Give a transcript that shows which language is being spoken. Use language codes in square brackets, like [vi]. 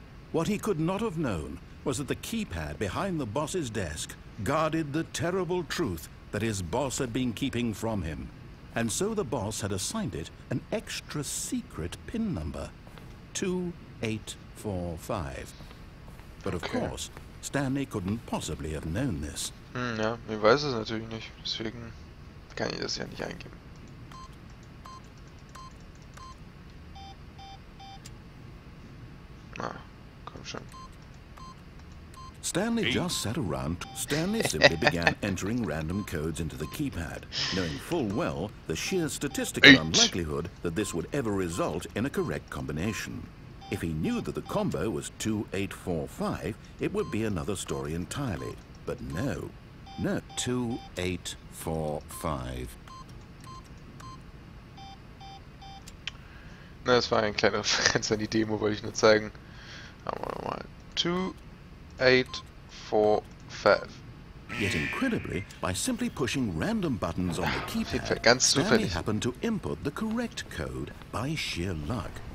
[en] What he could not have known was that the keypad behind the boss's desk guarded the terrible truth that his boss had been keeping from him. And so the boss had assigned it an extra secret PIN number, 2845. But of course, Stanley couldn't possibly have known this. [de] Ja, ich weiß es natürlich nicht, deswegen kann ich das ja nicht eingeben. Na, komm schon. [en] Stanley just sat around. Stanley simply began entering random codes into the keypad, knowing full well the sheer statistical unlikelihood that this would ever result in a correct combination. If he knew that the combo was 2845, it would be another story entirely. But no. No. 2845. [de] Na, das war ein kleiner Referenz an die Demo, wollte ich nur zeigen. Aber mal. 2845. [en] Yet incredibly, by simply pushing random buttons on the keypad, [de] ganz [en] Stanley happened to input the correct code by sheer luck.